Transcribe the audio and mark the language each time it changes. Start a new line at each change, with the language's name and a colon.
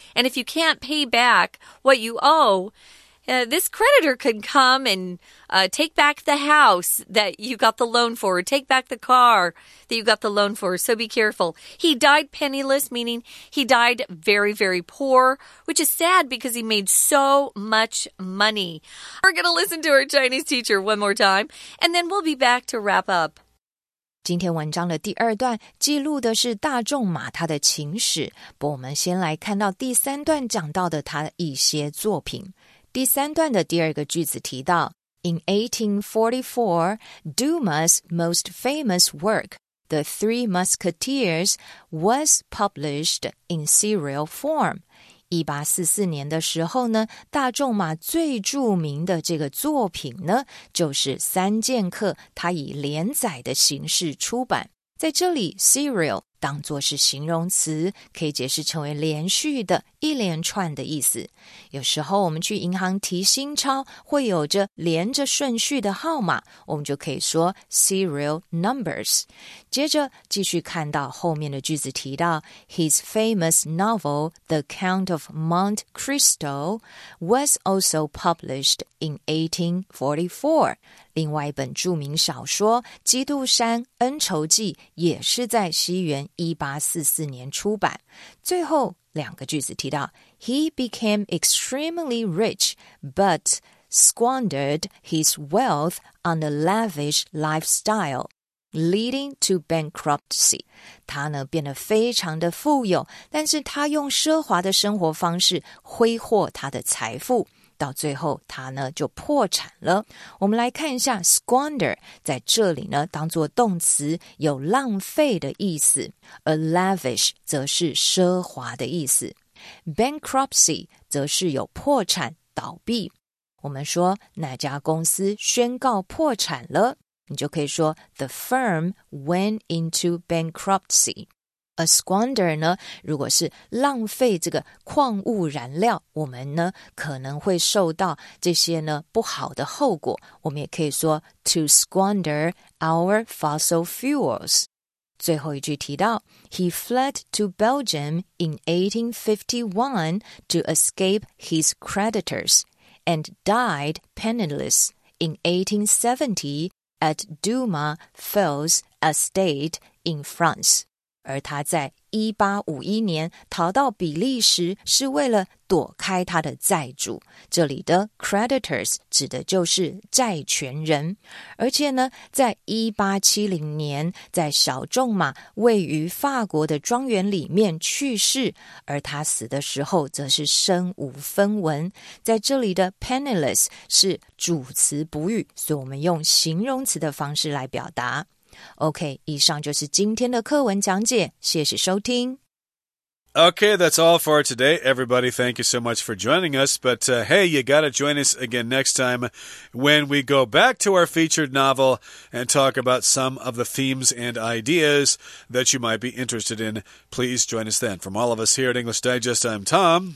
English: And if you can't pay back what you owe, this creditor could come and take back the house that you got the loan for, or take back the car that you got the loan for. So be careful. He died penniless, meaning he died very, very poor, which is sad because he made so much money. We're going to listen to our Chinese teacher one more time, and then we'll be back to wrap up.
Chinese: 今天文章的第二段记录的是大仲马他的情史，不过我们先来看到第三段讲到的他一些作品。第三段的第二个句子提到
English: In 1844, Dumas' most famous work, The Three Musketeers, was published in serial form.
Chinese: 1844年的时候呢，大仲马最著名的这个作品呢，就是《三剑客》，他以连载的形式出版。在这里 serial 当作是形容词，可以解释成为连续的、一连串的意思。有时候我们去银行提新钞，会有着连着顺序的号码，我们就可以说 serial numbers。接着继续看到后面的句子提到
English: His famous novel The Count of Monte Cristo was also published in 1844。
Chinese: 另外一本著名小说《基督山恩仇记》也是在西元1844年出版。最后两个句子提到
English: He became extremely rich, but squandered his wealth on a lavish lifestyle, leading to bankruptcy.
Chinese: 他呢变得非常的富有，但是他用奢华的生活方式挥霍他的财富，到最后他呢就破产了。我们来看一下 squander 在这里呢当作动词，有浪费的意思， a lavish 则是奢华的意思， bankruptcy 则是有破产倒闭。我们说哪家公司宣告破产了，你就可以说
English: the firm went into bankruptcy。
Chinese: A squander 呢，如果是浪费这个矿物燃料，我们呢可能会受到这些呢不好的后果。我们也可以说
English: to squander our fossil fuels。
Chinese: 最后一句提到 ，
English: He fled to Belgium in 1851 to escape his creditors and died penniless in 1870 at Dumas Fells Estate in France。
Chinese: 而他在1851年逃到比利时是为了躲开他的债主，这里的 creditors 指的就是债权人。而且呢，在1870年在小仲马位于法国的庄园里面去世，而他死的时候则是身无分文。在这里的 penniless 是主词补语，所以我们用形容词的方式来表达。 OK, 以上就是今天的课文讲解，谢谢收听。
English: Okay, that's all for today, everybody. Thank you so much for joining us. But hey, you gotta join us again next time when we go back to our featured novel and talk about some of the themes and ideas that you might be interested in. Please join us then. From all of us here at English Digest, I'm Tom.